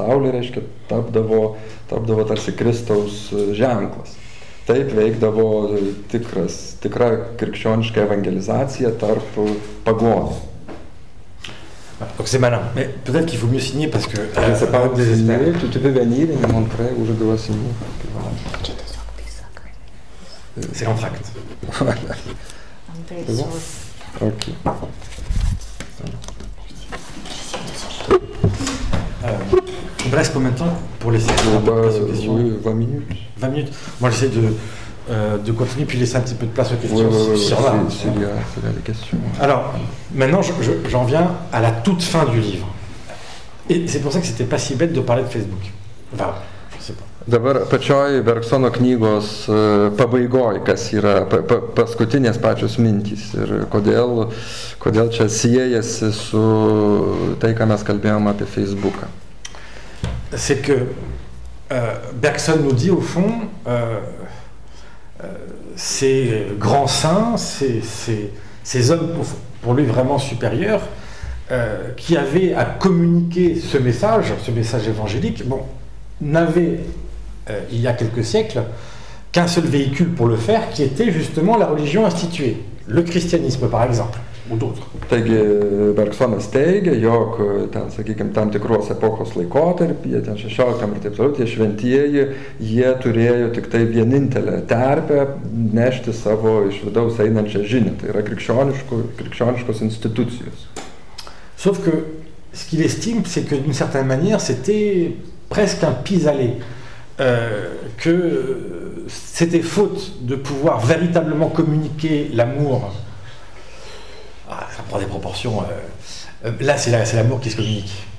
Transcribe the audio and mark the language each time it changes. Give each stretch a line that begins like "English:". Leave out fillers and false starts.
Lithuanian: Saulį, reiškia, tapdavo tarsi Kristaus ženklas. Taip veikdavo tikra krikščioniška evangelizacija tarp pagonių.
French: Donc c'est malin. Mais peut-être qu'il faut mieux signer parce que... Je ne sais pas où désespérer. Tu peux venir et me montrer où je dois signer. C'est l'entracte. C'est bon ? Ok. Il me reste combien de temps pour laisser la place aux questions ? Oui, 20 minutes. 20 minutes. Moi, j'essaie de continuer puis laisser un petit peu de place aux questions. C'est là les questions. Ouais. Alors, maintenant, j'en viens à la toute fin du livre. Et c'est pour ça que c'était pas si bête de parler de Facebook. Enfin, je sais pas.
Lithuanian: Dabar pačioj Bergsono knygos pabaigoj, kas yra paskutinės pačios mintys ir kodėl čia siejasi su tai, ką mes kalbėjom apie Facebooką.
French: C'est que Bergson nous dit au fond ces grands saints, ces hommes pour lui vraiment supérieurs qui avaient à communiquer ce message évangélique, bon, n'avaient il y a quelques siècles qu'un seul véhicule pour le faire qui était justement la religion instituée, le christianisme par exemple ou d'autres.
Lithuanian: Taigi Bergsonas teigia, jog ten sakykim tam tikros epochos laikotarpyje, ten 16 ir taip toliau, tie šventieji, jie turėjo tik tai vienintelę terpę nešti savo iš vidaus einančią žinią, tai yra krikščioniškos institucijos.
French: Sauf que ce qu'il estime c'est que d'une certaine manière c'était presque un pis-aller. Que c'était faute de pouvoir véritablement communiquer l'amour. Ah, ça prend des proportions. Là, c'est l'amour qui se communique.